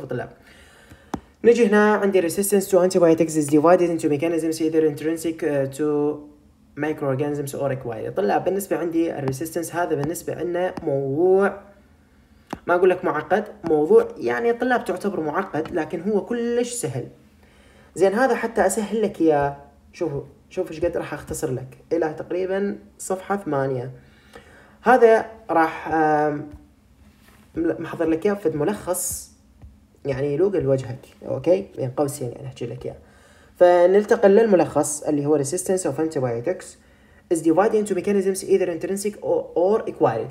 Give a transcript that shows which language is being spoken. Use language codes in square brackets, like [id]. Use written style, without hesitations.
[ar] شوف الطلاب، نجي هنا عندي [en] resistance to antibiotics is divided into mechanisms either intrinsic to microorganisms or acquired. [ar] طلاب بالنسبة عندي resistance هذا بالنسبة عندنا موضوع ما اقول لك معقد، موضوع يعني الطلاب تعتبر معقد لكن هو كلش سهل. زين هذا حتى اسهل لك يا شوفوا شوف ايش قد راح اختصر لك الى تقريبا صفحه 8. هذا راح محضر لك اياه في ملخص يعني يلوق لوجهك، اوكي بين قوسين يعني احكي لك اياه. فنلتقي للملخص اللي هو [en] resistance of antibiotics is divided into mechanisms either intrinsic or acquired.